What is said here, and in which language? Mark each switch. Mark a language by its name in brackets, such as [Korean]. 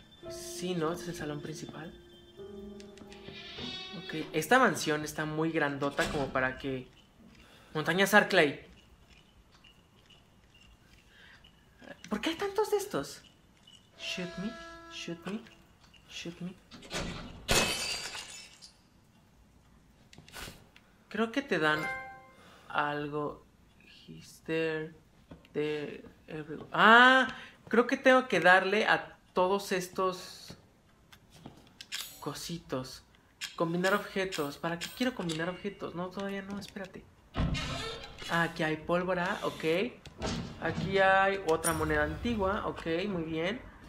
[Spanish] Sí, ¿no? Este es el salón principal. Ok, esta mansión está muy grandota como para que... Montaña Sarclay. ¿Por qué hay tantos de estos? [English] Shoot me, shoot me, shoot me. [Spanish] Creo que te dan algo. [English] He's there, there, everywhere. [Spanish] Ah, creo que tengo que darle a todos estos cositos. Combinar objetos. ¿Para qué quiero combinar objetos? No, todavía no, espérate. Ah, aquí hay pólvora, ok. Aquí hay otra moneda antigua, ok, muy bien.